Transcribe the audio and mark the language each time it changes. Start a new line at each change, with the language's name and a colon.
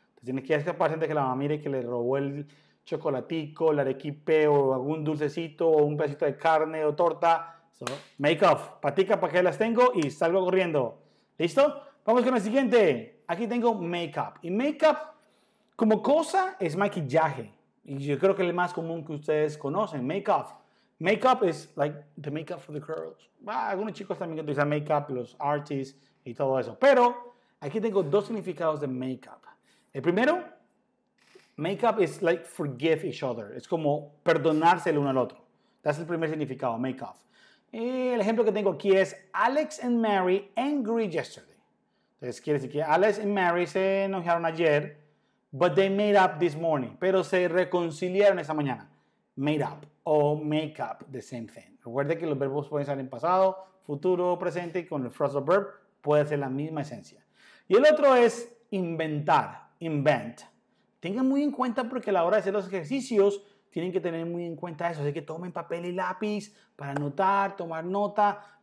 Spanish: Entonces tienes que escapar antes de que la mamá mire que le robó el chocolatico, el arequipe o algún dulcecito o un pedacito de carne o torta. So, make off. Patica para que las tengo y salgo corriendo. ¿Listo? Vamos con el siguiente. Aquí tengo make up. Y make up como cosa es maquillaje. Y yo creo que es el más común que ustedes conocen. Make up.
English: Make up is like the make up for the girls.
Spanish: Ah, algunos chicos también utilizan make up, los artists y todo eso. Pero aquí tengo dos significados de make up. El primero,
English: make up is like forgive each other.
Spanish: Es como perdonarse el uno al otro. That's el primer significado, make up. Y el ejemplo que tengo aquí es
English: Alex and Mary angry yesterday.
Spanish: Entonces quiere decir que Alex y Mary se enojaron ayer,
English: but they made up this morning.
Spanish: Pero se reconciliaron esta mañana.
English: Made up o make up, the same thing.
Spanish: Recuerde que los verbos pueden ser en pasado, futuro, presente, y con el phrasal verb puede ser la misma esencia. Y el otro es inventar, invent. Tengan muy en cuenta porque a la hora de hacer los ejercicios tienen que tener muy en cuenta eso. Así que tomen papel y lápiz para anotar, tomar nota.